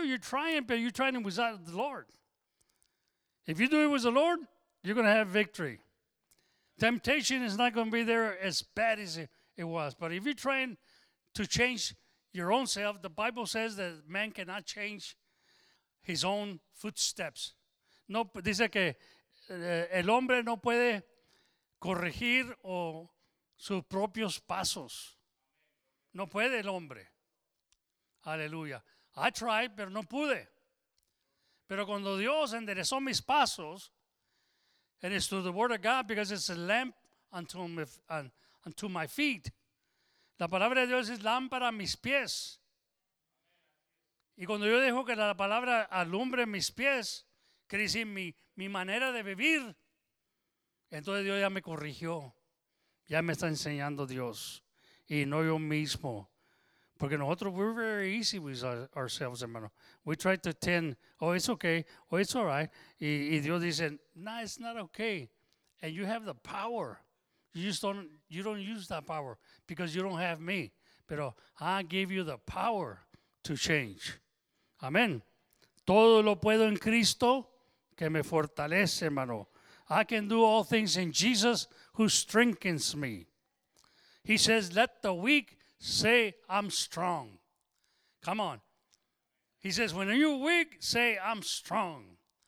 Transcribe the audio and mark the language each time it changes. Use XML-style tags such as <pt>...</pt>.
<en>You're trying, but you're trying without the Lord. If you do it with the Lord, you're going to have victory. Temptation is not going to be there as bad as it was. But if you're trying to change your own self, the Bible says that man cannot change his own footsteps.</en> <es>No, dice que el hombre no puede corregir sus propios pasos. No puede el hombre. Aleluya.</es> <en>I tried,</en> <es>pero no pude. Pero cuando Dios enderezó mis pasos,</es> <en>and it's through the word of God, because it's a lamp unto my feet.</en> <es>La palabra de Dios es lámpara a mis pies. Y cuando yo dejo que la palabra alumbre mis pies, quiere decir mi manera de vivir, entonces Dios ya me corrigió, ya me está enseñando Dios, y no yo mismo. Porque nosotros,</es> <en>we're very easy with ourselves, hermano. We try to tend, oh, it's okay, oh, it's all right.</en> <es>Y Dios dice,</es> <en>nah, it's not okay. And you have the power. You don't use that power because you don't have me. Pero I give you the power to change.</en> <es>Amén. Todo lo puedo en Cristo que me fortalece, hermano.</es> <en>I can do all things in Jesus who strengthens me. He says, let the weak say, I'm strong. Come on. He says, when you're weak, say, I'm strong.</en>